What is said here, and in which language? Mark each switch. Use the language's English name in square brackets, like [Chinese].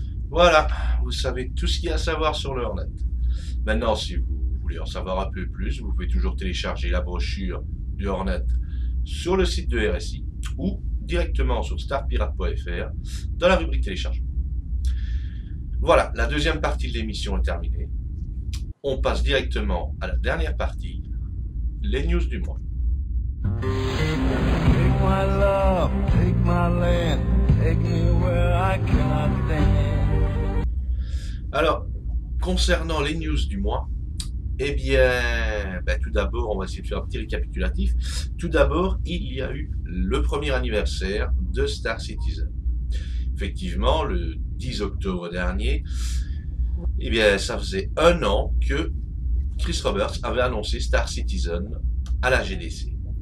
[French] Voilà, vous savez tout ce qu'il y a à savoir sur le Hornet. Maintenant, si vous voulez en savoir un peu plus, vous pouvez toujours télécharger la brochure du Hornet sur le site de RSI ou directement sur starpirate.fr dans la rubrique téléchargement. Voilà, la deuxième partie de l'émission est terminée. On passe directement à la dernière partie, les news du mois. [English] Take my love, take my land, take me where I cannot stand. [French] Alors, concernant les news du mois, eh bien, tout d'abord, on va essayer de faire un petit récapitulatif. Tout d'abord, il y a eu le premier anniversaire de Star Citizen. Effectivement, le 10 octobre dernier, eh bien, ça faisait un an que Chris Roberts avait annoncé Star Citizen à la GDC.